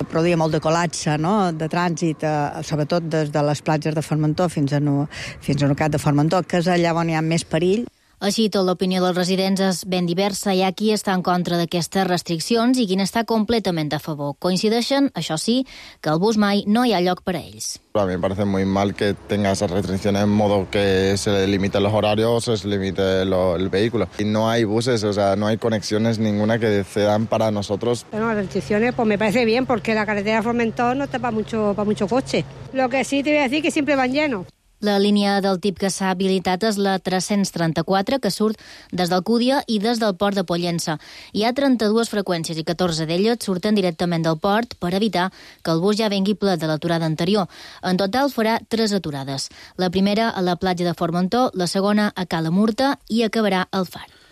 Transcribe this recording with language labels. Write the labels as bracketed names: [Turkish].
[Catalan] Però hi ha molt de col·lapse, no?, de trànsit, sobretot des de les platges de Formentor fins a Nucat de Formentor, que és allà on hi ha més perill. Així tot, l'opinió dels residents és ben diversa. Hi ha qui està en contra d'aquestes restriccions i qui n'està completament a favor. Coincideixen, això sí, que el bus mai no hi ha lloc per a ells. [Spanish] A mi me parece muy mal que tenga esas restricciones en modo que se limiten los horarios, se limite el vehículo. Y no hay buses, o sea, no hay conexiones ninguna que se dan para nosotros. Bueno, las restricciones pues me parece bien porque la carretera Formentor no está para mucho coche. Lo que sí te voy a decir es que siempre van llenos. [Catalan] La línia del TIP que s'ha habilitat és la 334, que surt des d'Alcúdia i des del port de Pollença. Hi ha 32 freqüències i 14 d'elles surten directament del port per evitar que el bus ja vengui ple de l'aturada anterior. En total farà 3 aturades. La primera a la platja de Formentó, la segona a Cala Murta i acabarà al Far.